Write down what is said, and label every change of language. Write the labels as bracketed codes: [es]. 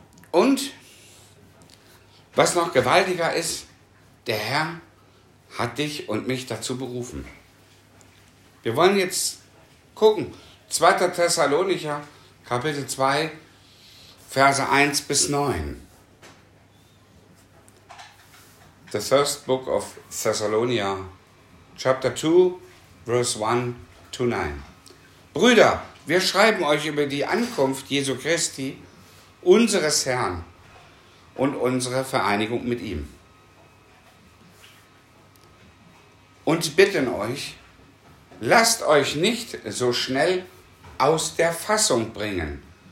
[de] Und was noch gewaltiger ist, der Herr hat dich und mich dazu berufen. Wir wollen jetzt gucken, 2. Thessalonicher, Kapitel 2, Verse 1 bis 9. [en] The first book of Thessalonians, chapter 2, verse 1 to 9. [de] Brüder, wir schreiben euch über die Ankunft Jesu Christi, unseres Herrn und unsere Vereinigung mit ihm. Und bitten euch, lasst euch nicht so schnell aus der Fassung bringen.